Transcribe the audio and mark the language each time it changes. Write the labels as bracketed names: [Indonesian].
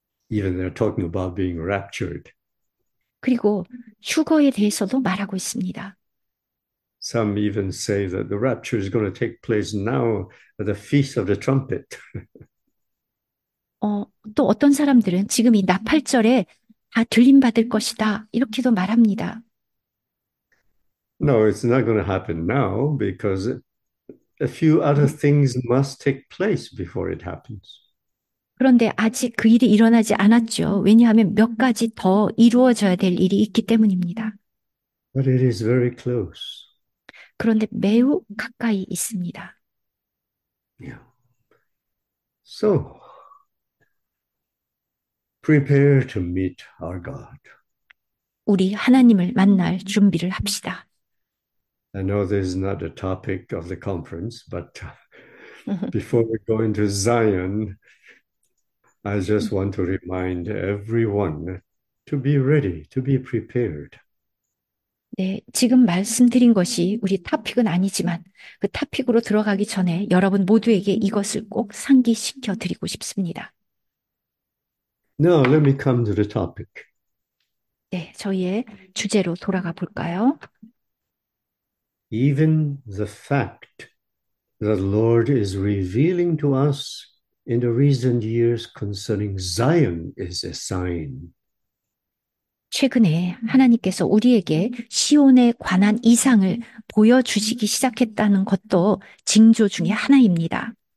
[English] Even they're talking about being raptured. [Korean] 그리고 휴거에 대해서도 말하고 있습니다. [English] Some even say that the rapture is going to take place now at the Feast of the Trumpet. [Korean] 또 어떤 사람들은 지금 이 나팔절에 다 들림받을 것이다 이렇게도 말합니다. [English] No, it's not going to happen now because a few other things must take place before it happens. [Korean] 그런데 아직 그 일이 일어나지 않았죠. 왜냐하면 몇 가지 더 이루어져야 될 일이 있기 때문입니다. [English] But it is very close. [Korean] 그런데 매우 가까이 있습니다. [English] So, prepare to meet our God. [Korean] 우리 하나님을 만날 준비를 합시다. [English] I know this is not the topic of the conference, but before we go into Zion, I just want to remind everyone to be ready, to be prepared. [Korean] 네, 지금 말씀드린 것이 우리 토픽은 아니지만 그 토픽으로 들어가기 전에 여러분 모두에게 이것을 꼭 상기시켜 드리고 싶습니다. [English] Now, let me come to the topic. [Korean] 네, 저희의 주제로 돌아가 볼까요? [English] Even the fact that the Lord is revealing to us in the recent years concerning Zion is a sign. [Korean] 최근에 하나님께서 우리에게 시온에 관한 이상을 보여주시기 시작했다는 것도 징조 중에 하나입니다.